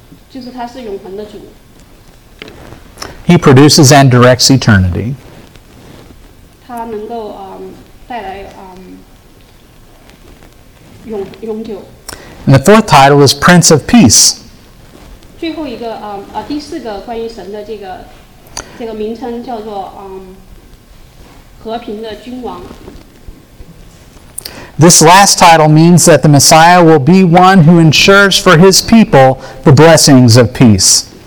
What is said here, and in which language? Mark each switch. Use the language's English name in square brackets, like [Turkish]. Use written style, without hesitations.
[Chinese] 就是他是永恒的主。 [English] He produces and directs eternity. [Chinese] 他能够带来永久。 [English] And the fourth title is Prince of Peace. [Chinese] 最后一个第四个关于神的这个名称叫做和平的君王。 [English] This last title means that the Messiah will be one who ensures for his people the blessings of peace.